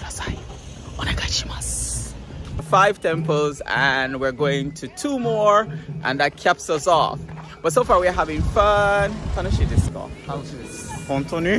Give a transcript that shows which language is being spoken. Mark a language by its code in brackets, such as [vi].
[ja] いっぱい。いっぱい。とても上手。そう。オッケー。ありがとう。そう、みんな。あなたたちはだいぶ何それ?少し意味がわかったら、ね、コメントを書いてください。だいぶ。その言葉は初めて聞いたから、そう、おすすめしてください。お願いします。 [en] 5 temples and we're going to 2 more and that caps us off. But so far we're having fun. [ja] 楽しいですか?楽しいです。本当に?